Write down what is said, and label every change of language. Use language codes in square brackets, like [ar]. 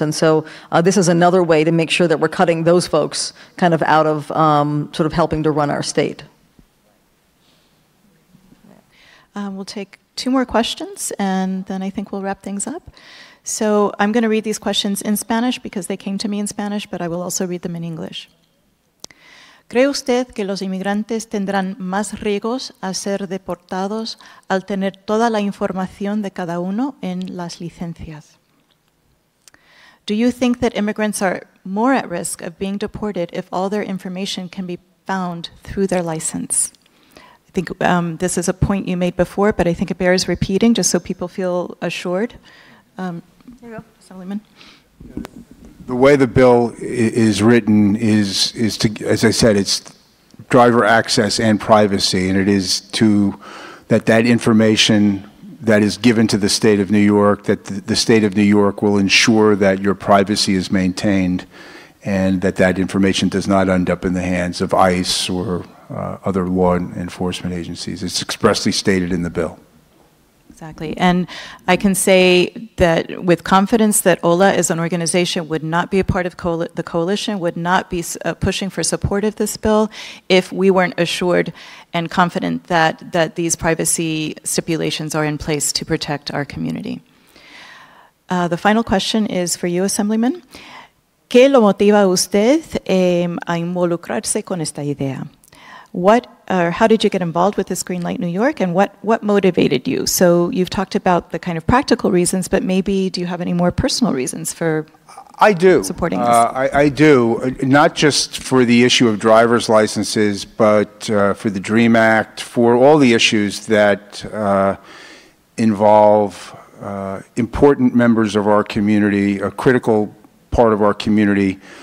[en] And so this is another way to make sure that we're cutting those folks kind of out of sort of helping to run our state. We'll take two more questions, and then I think we'll wrap things up. So I'm going to read these questions in Spanish because they came to me in Spanish, but I will also read them in English. [es] ¿Cree usted que los inmigrantes tendrán más riesgos a ser deportados al tener toda la información de cada uno en las licencias? [en] Do you think that immigrants are more at risk of being deported if all their information can be found through their license? I think this is a point you made before, but I think it bears repeating just so people feel assured. Here you go, Assemblyman. The way the bill is written is to, as I said, it's driver access and privacy, and it is to that information that is given to the state of New York, that the state of New York will ensure that your privacy is maintained and that information does not end up in the hands of ICE or other law enforcement agencies. It's expressly stated in the bill. Exactly. And I can say that with confidence that OLA as an organization would not be a part of the coalition, would not be pushing for support of this bill if we weren't assured and confident that these privacy stipulations are in place to protect our community. The final question is for you, Assemblyman. [es] ¿Qué lo motiva usted a involucrarse con esta idea? [en] What or how did you get involved with this Green Light New York, and what motivated you? So you've talked about the kind of practical reasons, but maybe do you have any more personal reasons for I do. Supporting this? I do, not just for the issue of driver's licenses, but for the DREAM Act, for all the issues that involve important members of our community, a critical part of our community,